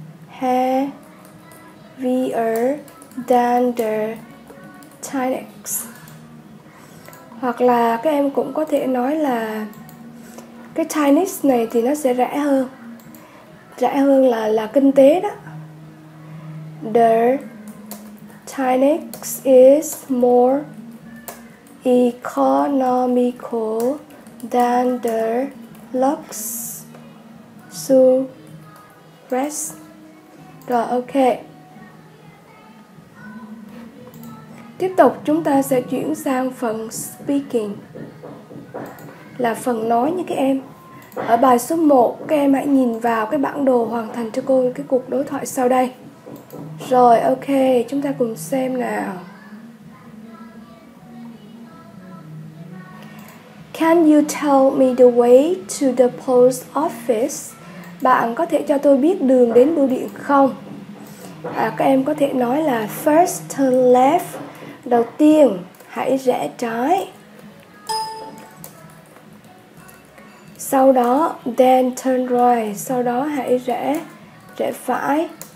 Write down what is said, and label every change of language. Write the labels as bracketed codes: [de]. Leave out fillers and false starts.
[en] Heavier than the Tinex. [vi] Hoặc là các em cũng có thể nói là cái Tinex này thì nó sẽ rẻ hơn. Rẻ hơn là kinh tế đó. [en] The Tinex is more economical than the luxury. [vi] Rồi, ok. Tiếp tục chúng ta sẽ chuyển sang phần speaking, là phần nói nha các em. Ở bài số 1, các em hãy nhìn vào cái bản đồ hoàn thành cho cô cái cuộc đối thoại sau đây. Rồi, ok, chúng ta cùng xem nào. [en] Can you tell me the way to the post office? [vi] Bạn có thể cho tôi biết đường đến bưu điện không? Các em có thể nói là [en] first turn left, [vi] đầu tiên hãy rẽ trái. Sau đó [en] then turn right, [vi] sau đó hãy rẽ phải.